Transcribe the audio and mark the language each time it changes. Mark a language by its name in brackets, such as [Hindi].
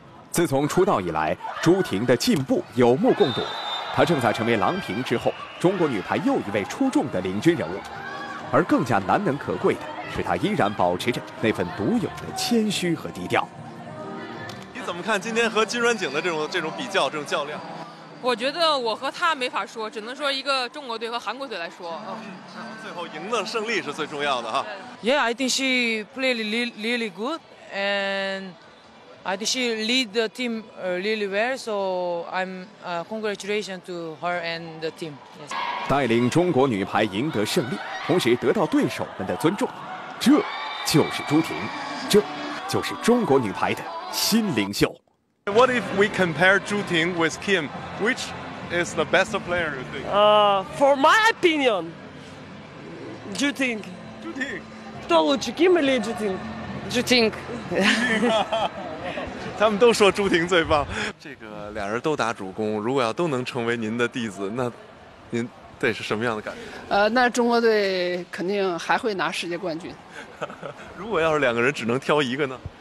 [Chinese] 自从出道以来，朱婷的进步有目共睹，她正在成为郎平之后中国女排又一位出众的领军人物，而更加难能可贵的是她依然保持着那份独有的谦虚和低调。你怎么看今天和金软景的这种比较，这种较量？我觉得我和她没法说，只能说一个中国队和韩国队来说，最后赢的胜利是最重要的哈。 [English] Yeah, I think she played really good andI think she lead the team really well, so congratulations to her and the team. Yes. [Chinese] 带领中国女排赢得胜利，同时得到对手们的尊重，这就是朱婷，这就是中国女排的新领袖。 [English] What if we compare Zhu Ting with Kim? Which is the best player, you think? For my opinion, Zhu Ting. Zhu Ting. [Chinese] 都是 Kim 还是 Zhu Ting? [English] Zhu Ting. [Chinese] 他们都说朱婷最棒，这个俩人都打主攻，如果要都能成为您的弟子，那您得是什么样的感觉？那中国队肯定还会拿世界冠军。如果要是两个人只能挑一个呢？